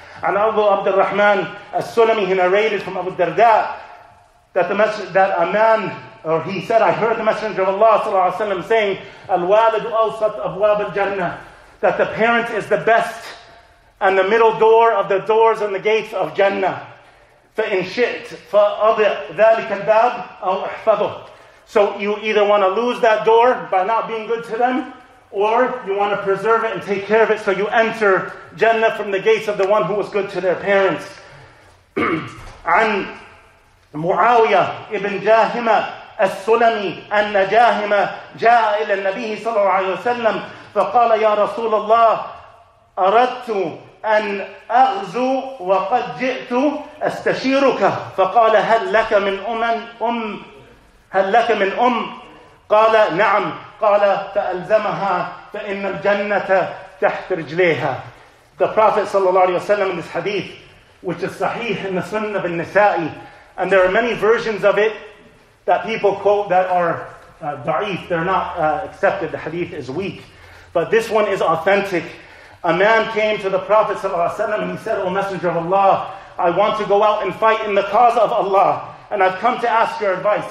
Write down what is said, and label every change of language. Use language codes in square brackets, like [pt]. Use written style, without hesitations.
[en] And Abu Abdurrahman al-Sulami, he narrated from Abu Darda that he said, I heard the Messenger of Allah sallallahu alaihi wasallam saying, [ar] Al-Walidu awsat abwab al-Jannah, [en] that the parent is the best and the middle door of the doors and the gates of Jannah. [ar] فَإِنْ شِئْتْ فَأَضِعْ ذَلِكَ الْبَابْ أَوْ أَحْفَظُهُ. [en] So you either want to lose that door by not being good to them, or you want to preserve it and take care of it so you enter Jannah from the gates of the one who was good to their parents. [ar] عن معاوية ابن جاهمة السلمي أن جاهمة جاء إلى النبي صلى الله عليه وسلم ف فقال يا رسول الله أردت أن أغزو وقد جئت أستشيرك فقال هل لك من أم هل لك من أم قال نعم قال فألزمها فإن الجنة تحت رجليها. [en] The Prophet sallallahu alaihi wasallam in this hadith, which is sahih in the Sunnah bin Nisa'i, and there are many versions of it that people quote that are da'if, they're not accepted, the hadith is weak. But this one is authentic. A man came to the Prophet sallallahu alaihi wasallam and he said, O Messenger of Allah, I want to go out and fight in the cause of Allah, and I've come to ask your advice.